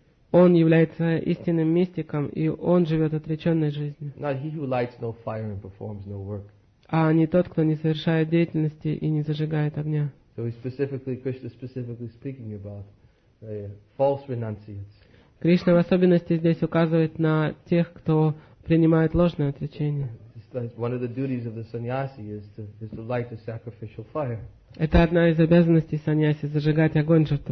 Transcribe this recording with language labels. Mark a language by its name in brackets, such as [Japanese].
[Russian] Он является истинным мистиком, и он живет отреченной жизнью. А не тот, кто не совершает деятельности и не зажигает огня. [English] So he specifically, Krishna specifically speaking about false renunciates. [Russian] Кришна в особенности здесь указывает на тех, кто принимает ложное отречение. Это одна из обязанностей саньяси — зажигать огонь